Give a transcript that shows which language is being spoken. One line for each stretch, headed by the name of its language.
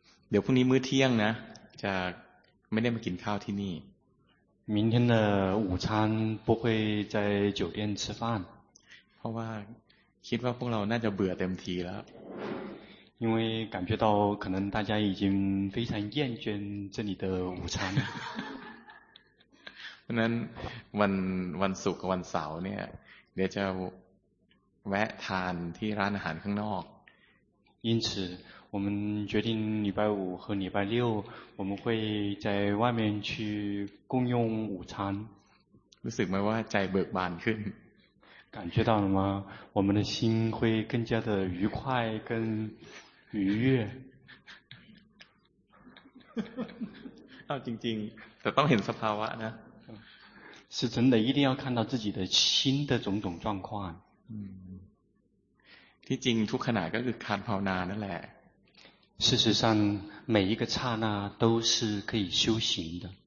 Thai: เดี๋ยวพรุ่งนี้มื้อเที่ยงนะจะไม่ได้มากินข้าวที่นี่
Chinese: 明天的午餐不会在酒店吃饭
Thai: เพราะว่าคิดว่าพวกเราน่าจะเบื่อเต็มทีแล้ว
Chinese: 因为感觉到可能大家已经非常厌倦这里的午餐
Thai: เพราะนั้นวันศุกร์กับวันเสาร์เนี่ยเดี๋ยวจะแวะทานที่ร้านอาหารข้างนอก
Chinese: 因此我们决定礼拜五和礼拜六我们会在外面去共用午餐
Thai: รู้สึกไหมว่าใจเบิกบานขึ้น
Chinese: 感觉到了吗我们的心会更加的愉快跟愉悦
Thai: เอาจริงๆแต่ต้องเห็นสภาวะนะ
Chinese: 是真的一定要看到自己的心的种种状况
Thai: ที่จริงทุกขณะก็คือการภาวนานั่นแหละ
Chinese: 事实上每一个刹那都是可以修行的